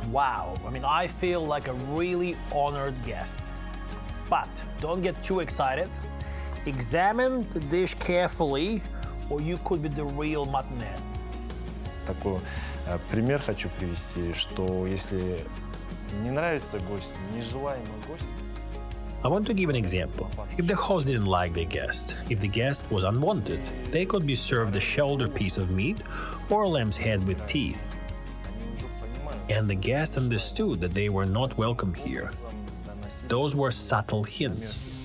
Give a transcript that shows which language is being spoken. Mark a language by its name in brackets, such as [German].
[English] Wow, I mean, I feel like a really honored guest. But don't get too excited. Examine the dish carefully, or you could be the real muttonhead. [Russian] Такой пример хочу привести, что если не нравится гость, нежелаемый гость. [English] I want to give an example. If the host didn't like the guest, if the guest was unwanted, they could be served a shoulder piece of meat or a lamb's head with teeth. And the guest understood that they were not welcome here. Those were subtle hints.